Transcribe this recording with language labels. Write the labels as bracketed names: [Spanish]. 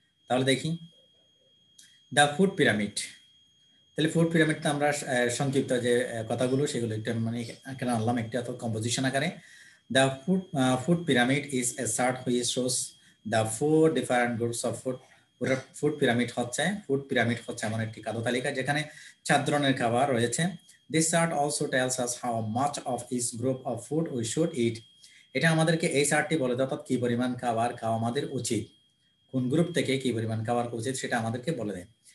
[Bangla] তাহলে দেখি [English] the food pyramid, [Bangla] তাহলে ফুড পিরামিডটা আমরা সংক্ষিপ্ত যে কথাগুলো সেগুলো একটু মানে কেন আনলাম একটি অর্থাৎ কম্পোজিশন আকারে, [English] the food pyramid is a chart which shows the four different groups of food, [Bangla] food pyramid হচ্ছে এমন একটি খাদ্য তালিকা যেখানে 4 ধরনের খাবার রয়েছে। [English] This chart also tells us how much of each group of food we should eat. [Bangla] এটা আমাদেরকে এই চার্টটি বলে দেয় অর্থাৎ কি পরিমাণ খাবার খাওয়া আমাদের উচিত, কোন গ্রুপ থেকে কি পরিমাণ খাবার খাওয়া উচিত সেটা আমাদেরকে বলে দেয়।